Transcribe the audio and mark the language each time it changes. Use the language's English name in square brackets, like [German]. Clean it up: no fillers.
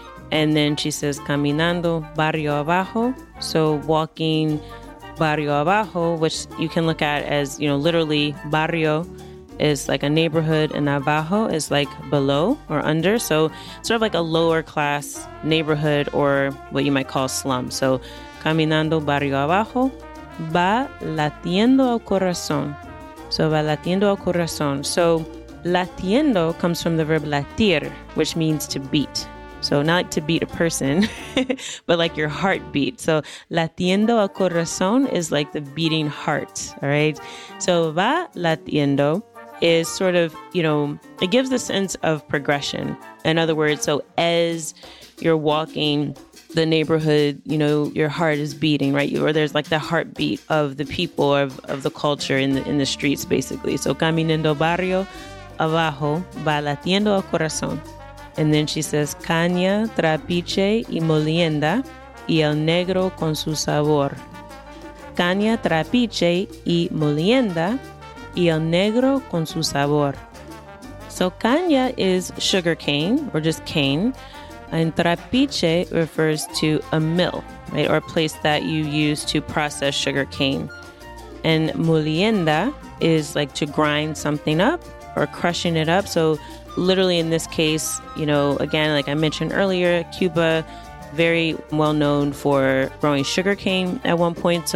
[English] And then she says, [Spanish] caminando barrio abajo. [English] So walking [Spanish] barrio abajo, [English] which you can look at as, you know, literally barrio is like a neighborhood and abajo is like below or under. So sort of like a lower class neighborhood or what you might call slum. [Spanish] So caminando barrio abajo, va latiendo el corazón. So va latiendo el corazón. [English] So latiendo comes from the verb latir, which means to beat. So not like to beat a person, but like your heartbeat. So [Spanish] latiendo el corazón [English] is like the beating heart, all right? So [Spanish] va latiendo [English] is sort of, you know, it gives a sense of progression. In other words, so as you're walking the neighborhood, you know, your heart is beating, right? Or there's like the heartbeat of the people, of the culture in the streets, basically. [Spanish] So caminando barrio abajo va latiendo el corazón. [English] And then she says, [Spanish] caña, trapiche y molienda y el negro con su sabor. Caña, trapiche y molienda y el negro con su sabor. [English] So caña is sugar cane or just cane. And trapiche refers to a mill, right? Or a place that you use to process sugar cane. And molienda is like to grind something up or crushing it up. So literally in this case, you know, again, like I mentioned earlier, Cuba, very well known for growing sugar cane at one point.